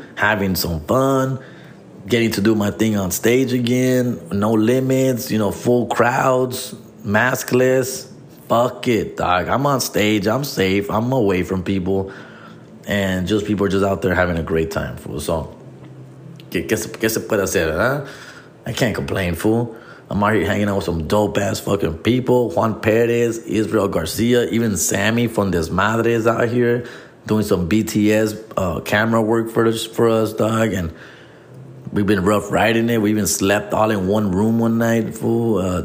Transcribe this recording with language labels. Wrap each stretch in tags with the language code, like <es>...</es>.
<en>Having some fun. Getting to do my thing on stage again. No limits. You know, full crowds. Maskless. Fuck it, dog. I'm on stage. I'm safe. I'm away from people. And just people are just out there having a great time, fool.</en> <es>So, ¿qué se puede hacer, huh?</es> <en>I can't complain, fool. I'm out here hanging out with some dope-ass fucking people. Juan Perez, Israel Garcia, even Sammy from Desmadre is out here doing some BTS camera work for us, dog. And we've been rough riding it. We even slept all in one room one night, fool.</en>